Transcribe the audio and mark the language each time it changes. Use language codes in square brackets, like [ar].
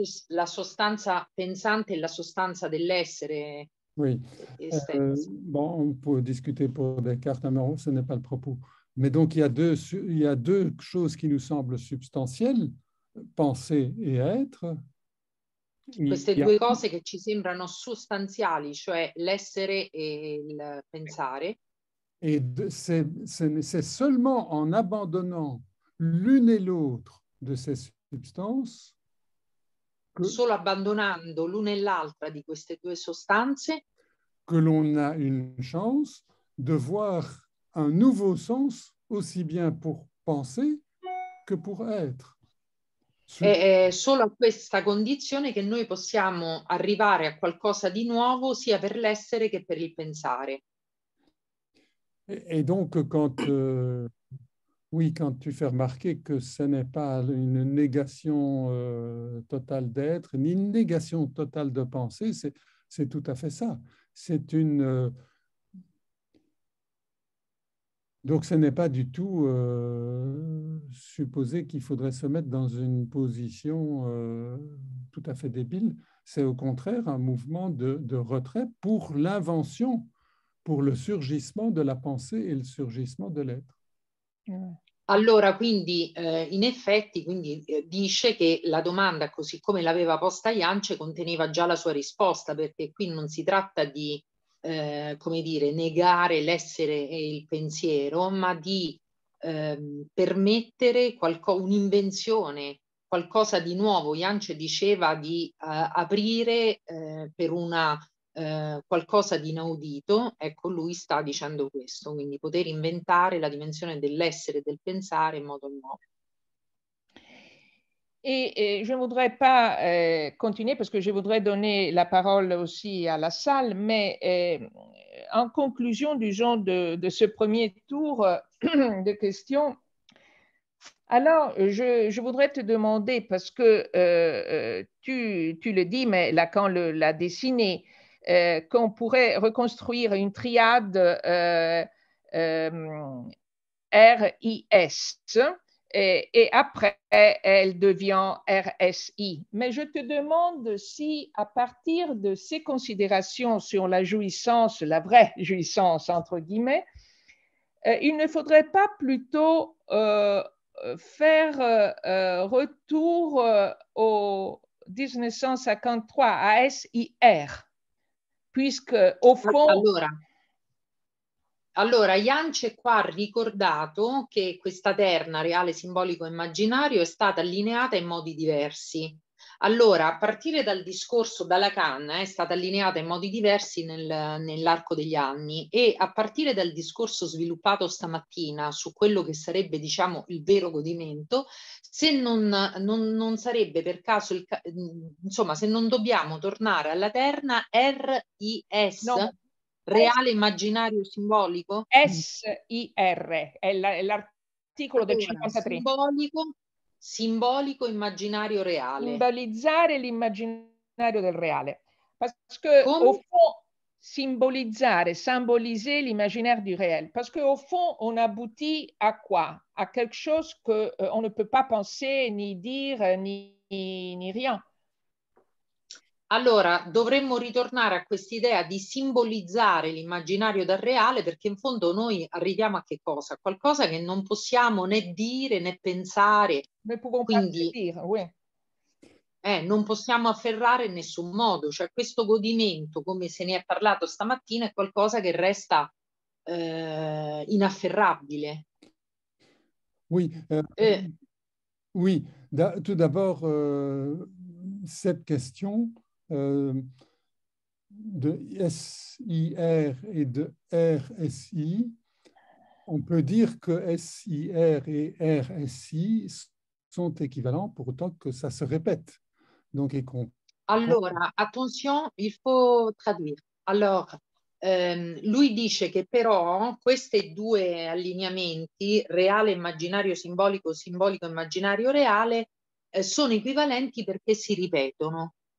[it] La sostanza pensante e la sostanza dell'essere. [fr] Oui, on peut discuter pour Descartes, mais ce n'est pas le propos. Mais donc, il y a deux choses qui nous semblent substantielles, penser et être. [it] Queste due cose che ci sembrano sostanziali, cioè l'essere e il pensare. [fr] Et c'est seulement en abandonnant l'une et l'autre de ces substances [it] que, solo abbandonando l'une e l'altra di queste due sostanze, [fr] que l'on a une chance de voir un nouveau sens aussi bien pour penser que pour être. [it] È solo a questa condizione che noi possiamo arrivare a qualcosa di nuovo sia per l'essere che per il pensare. [fr] Et donc, quand tu fais remarquer que ce n'est pas une négation totale d'être, ni une négation totale de pensée, c'est tout à fait ça. C'est une... Donc, ce n'est pas du tout supposé qu'il faudrait se mettre dans une position tout à fait débile. C'est au contraire un mouvement de retrait pour l'invention. Pour le surgissement de la pensée et le surgissement de l'être. [it] Allora, quindi, in effetti, quindi dice che la domanda, così come l'aveva posta Janče, conteneva già la sua risposta, perché qui non si tratta di, come dire, negare l'essere e il pensiero, ma di permettere un'invenzione, qualcosa di nuovo. Janče diceva di aprire per una... qualcosa di inaudito, ecco, lui sta dicendo questo, quindi poter inventare la dimensione dell'essere e del pensare in modo nuovo. [fr] Et je ne voudrais pas continuer parce que je voudrais donner la parole aussi à la salle, mais en conclusion, disons, de ce premier tour de questions. Alors, je voudrais te demander, parce que tu le dis, mais Lacan l'a dessiné, qu'on pourrait reconstruire une triade RIS et après elle devient RSI. Mais je te demande si à partir de ces considérations sur la jouissance, la vraie jouissance entre guillemets, il ne faudrait pas plutôt faire retour au 1953, à SIR. Puisque au fond. [it] Allora, Allora, Jan ci ha ricordato che questa terna, reale, simbolico, immaginario, è stata allineata in modi diversi. Allora, a partire dal discorso da Lacan, è stata allineata in modi diversi nell'arco degli anni, e a partire dal discorso sviluppato stamattina su quello che sarebbe, diciamo, il vero godimento, se non sarebbe per caso, insomma, se non dobbiamo tornare alla terna R-I-S... No. Reale, immaginario, simbolico? S-I-R, è l'articolo del 53. Simbolico, immaginario, reale. Simbolizzare l'immaginario del reale. [fr] Parce que, come? Au fond, symboliser l'imaginaire du réel. Parce que, au fond, on aboutit à quoi? À quelque chose que on ne peut pas penser, ni dire, ni rien. [it] Allora, dovremmo ritornare a quest'idea di simbolizzare l'immaginario dal reale, perché in fondo noi arriviamo a che cosa? Qualcosa che non possiamo né dire né pensare. Quindi, non possiamo afferrare in nessun modo. Cioè, questo godimento, come se ne è parlato stamattina, è qualcosa che resta inafferrabile. [fr] Oui. Oui. Tout d'abord, cette question. De S-I-R et de R-S-I, on peut dire que S-I-R et R-S-I sont équivalents pour autant que ça se répète. Donc, et qu'on... Alors, attention, il faut traduire. [it] Alors, lui dice che però questi due allineamenti, reale, immaginario, simbolico, simbolico, immaginario, reale, sono equivalenti perché si ripetono.